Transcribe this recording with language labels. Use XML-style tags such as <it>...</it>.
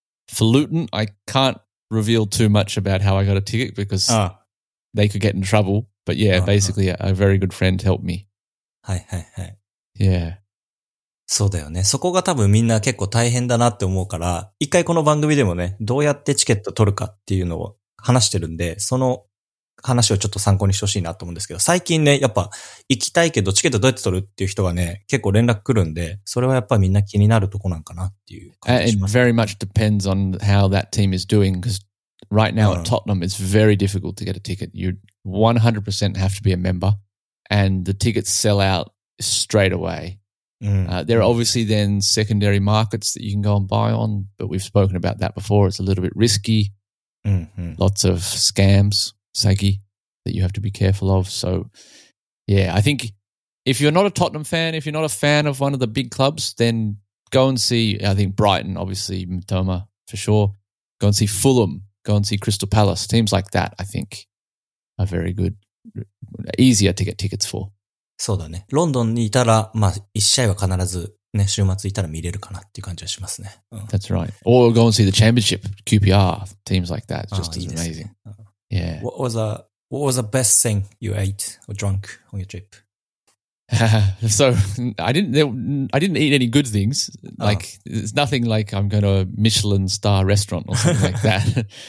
<en>For Luton, I can't reveal too much about how I got a ticket because they could get in trouble. But yeah, basically a very good friend helped me.</en> <ja>はいはいはい。</ja> <en>Yeah.</en> <ja>そうだよね。そこが多分みんな結構大変だなって思うから、一回この番組でもね、どうやってチケット取るかっていうのを話してるんで、その話をちょっと参考にしてほしいなと思うんですけど、最近ね、やっぱ行きたいけどチケットどうやって取るっていう人がね、結構連絡来るんで、それはやっぱみんな気になるとこなんかなっていう感じします。</ja> <en>It very much depends on how that team is doing, because right now at Tottenham, it's very difficult to get a ticket. You 100% have to be a member, and the tickets sell out straight away. There are obviously then secondary markets that you can go and buy on, but we've spoken about that before. It's a little bit risky. Lots of scams, saggy, that you have to be careful of. So, yeah, I think if you're not a Tottenham fan, if you're not a fan of one of the big clubs, then go and see, I think Brighton, obviously, Mitoma for sure. Go and see Fulham. Go and see Crystal Palace. Teams like that, I think, are very good, easier to get tickets for.</en> <ja>そうだね。ロンドンにいたら、まあ、一試合は必ずね、週末いたら見れるかなっていう感じはしますね。</ja> <en>That's right. Or go and see the championship, QPR, teams like that. Just amazing.</en> <ja>いいですね。</ja> <en>Yeah. What was the best thing you ate or drunk on your trip? So, I didn't eat any good things. Like, it's nothing like I'm going to a Michelin star restaurant or something like that.</en>